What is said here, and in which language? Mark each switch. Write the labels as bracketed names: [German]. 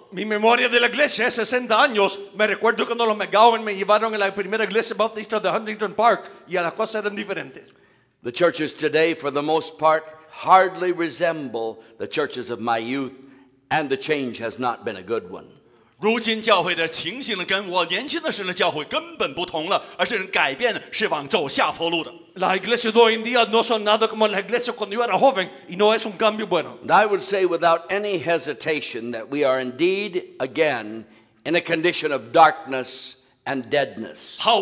[Spanish] Mi memoria de la iglesia es 60 años. Me recuerdo cuando los McGowan me llevaron a la primera iglesia bautista de Huntington Park y a las cosas eran diferentes. [English] The churches today, for the most part, hardly resemble the churches of my youth, and the change has not been a good one. [Chinese] 如今教会的情形跟我年轻的时候的教会根本不同了，而是改变是往走下坡路的。 [Spanish] La iglesia de hoy en día no son nada como la iglesia cuando yo era joven, y no es un cambio bueno. [English] And I would say without any hesitation that we are indeed again in a condition of darkness and deadness.